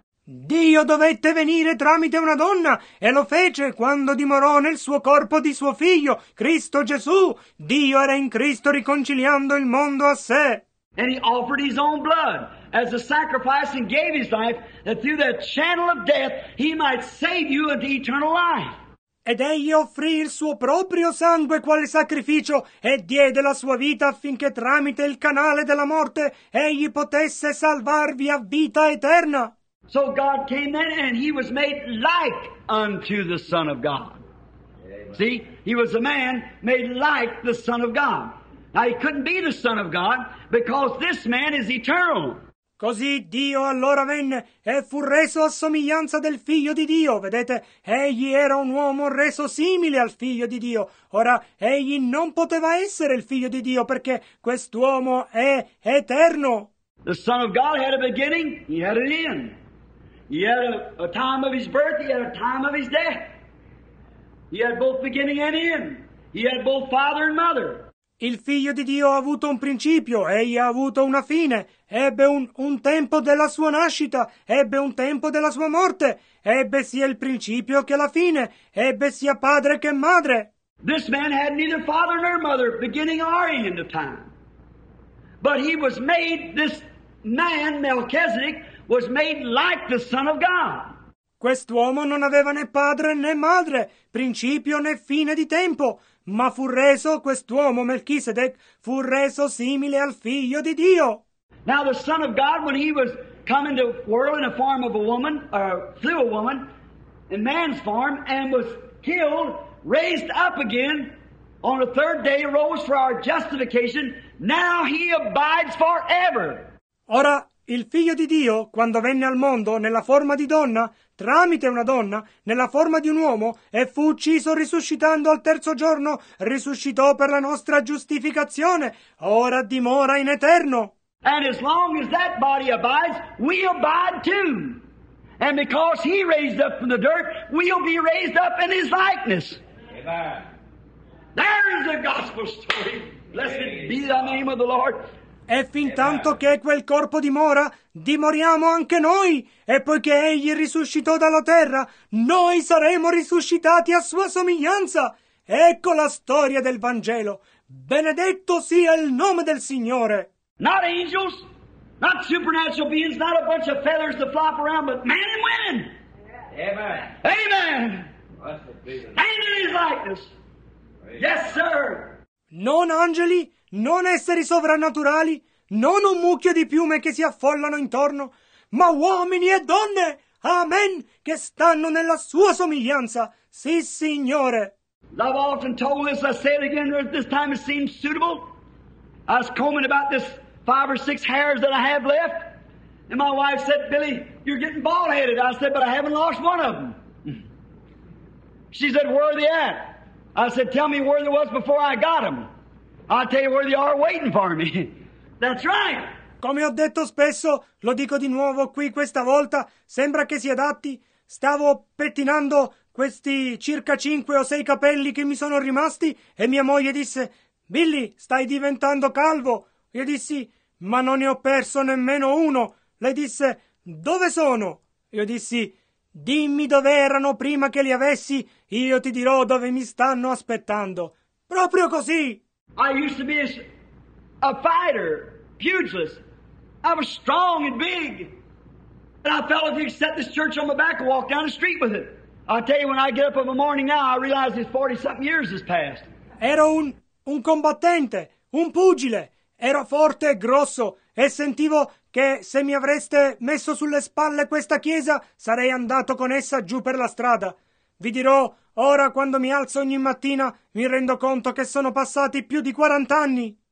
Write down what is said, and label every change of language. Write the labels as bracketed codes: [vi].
[it] Dio dovette venire tramite una donna e lo fece quando dimorò nel suo corpo di suo figlio, Cristo Gesù. Dio era in Cristo riconciliando il mondo a sé. [en] And he offered his own blood as a sacrifice and gave his life that through that channel of death he might save you unto eternal life. [it] Ed egli offrì il suo proprio sangue quale sacrificio e diede la sua vita affinché tramite il canale della morte egli potesse salvarvi a vita eterna. [en] So God came then and he was made like unto the Son of God. Amen. See, he was a man made like the Son of God. Now he couldn't be the Son of God because this man is eternal. [it] Così Dio allora venne e fu reso a somiglianza del Figlio di Dio. Vedete, egli era un uomo reso simile al Figlio di Dio. Ora, egli non poteva essere il Figlio di Dio perché quest'uomo è eterno. [en] The Son of God had a beginning, he had an end. He had a time of his birth, he had a time of his death. He had both beginning and end. He had both father and mother. [it] Il Figlio di Dio ha avuto un principio, egli ha avuto una fine. Ebbe un tempo della sua nascita, ebbe un tempo della sua morte. Ebbe sia il principio che la fine, ebbe sia padre che madre. [en] This man had neither father nor mother, beginning or end of time. But he was made, this man, Melchizedek, was made like the Son of God. [it] Quest'uomo non aveva né padre né madre, principio né fine di tempo, ma fu reso, quest'uomo Melchisedec, fu reso simile al Figlio di Dio. [en] Now the Son of God, when he was come into the world in a form of a woman, or flew a woman, in man's form, and was killed, raised up again, on the third day rose for our justification, now he abides forever. [it] Ora, il Figlio di Dio, quando venne al mondo nella forma di donna, tramite una donna, nella forma di un uomo, e fu ucciso risuscitando al terzo giorno, risuscitò per la nostra giustificazione, ora dimora in eterno. [en] And as long as that body abides, we abide too. And because he raised up from the dirt, we'll be raised up in his likeness. Amen. There is a gospel story. Blessed be the name of the Lord. [it] E fin tanto che quel corpo dimora, dimoriamo anche noi. E poiché egli risuscitò dalla terra, noi saremo risuscitati a sua somiglianza. Ecco la storia del Vangelo. Benedetto sia il nome del Signore. [en] Not angels, not supernatural beings, not a bunch of feathers to flop around, but men and women. Amen. Amen. And in his likeness. Yes, sir. [it] Non angeli, non esseri sovrannaturali, non un mucchio di piume che si affollano intorno, ma uomini e donne, amen, che stanno nella sua somiglianza. Sì, Signore. [en] I've often told this, I say it again, or this time it seems suitable. I was combing about this five or six hairs that I have left, and my wife said, Billy, you're getting bald-headed. I said, but I haven't lost one of them. She said, where are they at? I said, tell me where they was before I got them. I'll tell you where they are waiting for me. That's right. [it] Come ho detto spesso, lo dico di nuovo qui questa volta, sembra che si adatti, stavo pettinando questi circa 5 o 6 capelli che mi sono rimasti e mia moglie disse, Billy, stai diventando calvo. Io dissi, ma non ne ho perso nemmeno uno. Lei disse, dove sono? Io dissi, dimmi dove erano prima che li avessi, io ti dirò dove mi stanno aspettando. Proprio così! [en] I used to be a fighter, pugilist. I was strong and big. And I felt if you set this church on my back and walk down the street with it. I tell you, when I get up in the morning now, I realize it's 40-something years has passed. [it] Ero un combattente, un pugile. Ero forte e grosso e sentivo che se mi avreste messo sulle spalle questa chiesa sarei andato con essa giù per la strada. Vi dirò, ora quando mi alzo ogni mattina mi rendo conto che sono passati più di 40 anni.